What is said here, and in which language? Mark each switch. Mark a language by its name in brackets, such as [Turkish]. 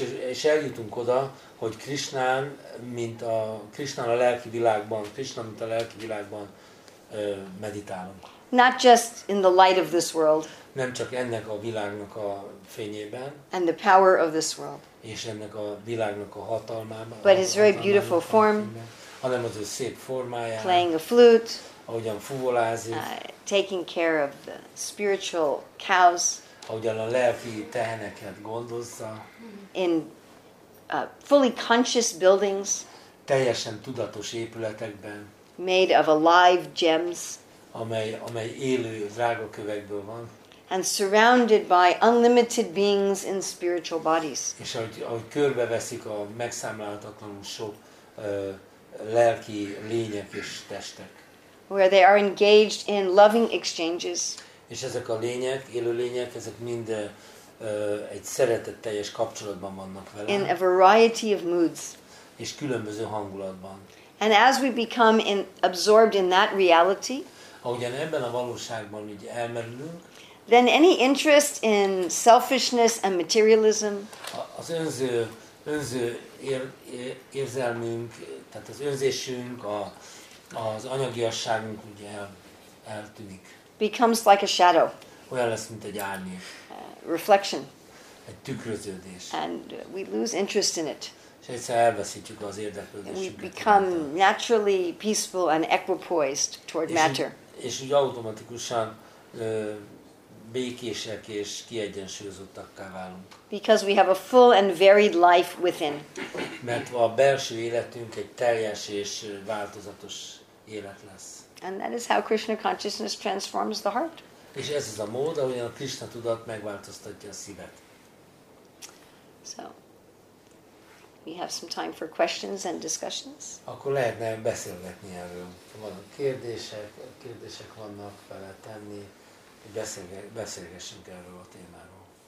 [Hungarian] És eljutunk oda, hogy Krishna mint a lelki világban meditálunk. [English] Not just in the light of this world. [Hungarian] Nem csak ennek a világnak a fényében. [English] And the power of this world. [Hungarian] És ennek a világnak a hatalmában. [English] But his very beautiful form. [Hungarian] Hanem az ő szép formáján. [English] Playing a flute. [Hungarian] Ahogyan fuvolázik. [English] Taking care of the spiritual cows. [Hungarian] Ahogyan a lelki teheneket gondozza. [English] In fully conscious buildings. [Hungarian] Teljesen tudatos épületekben. [English] Made of alive gems. [Hungarian] Amely élő drágakövekből van. [English] and surrounded by unlimited beings in spiritual bodies. [Hungarian] És ahogy körbeveszik a megszámláltatlanul sok lelki lények és testek. [English] Where they are engaged in loving exchanges. [Hungarian] És ezek a lények, élő lények, ezek mind egy szeretetteljes kapcsolatban vannak vele. [English] In a variety of moods. [Hungarian] És különböző hangulatban. [English] And as we become absorbed in that reality, [Hungarian] ahogyan ebben a valóságban így elmerülünk, [English] then any interest in selfishness and materialism, [Hungarian] az önző érzelmünk, tehát az önzésünk, az anyagiasságunk ugye eltűnik. [English] Becomes like a shadow. [Hungarian] Olyan lesz, mint egy árnyék. [English] Reflection. [Hungarian] Egy tükröződés. [English] And we lose interest in it. [Hungarian] És egyszer elveszítjük az érdeklődésünket. [English] We become naturally peaceful and equipoised toward matter. [Hungarian] És úgy automatikusan békések és kiegyensúlyozottakká válunk. [English] Because we have a full and varied life within. [Hungarian] Mert a belső életünk egy teljes és változatos élet lesz. [English] And that is how Krishna consciousness transforms the heart. [Hungarian] És ez az a mód, ahogyan a Krishna tudat megváltoztatja a szívet. [English] So, we have some time for questions and discussions. [Hungarian] Akkor lehetne beszélgetni erről. Vannak kérdések vannak vele tenni, hogy beszélgessünk erről a témáról.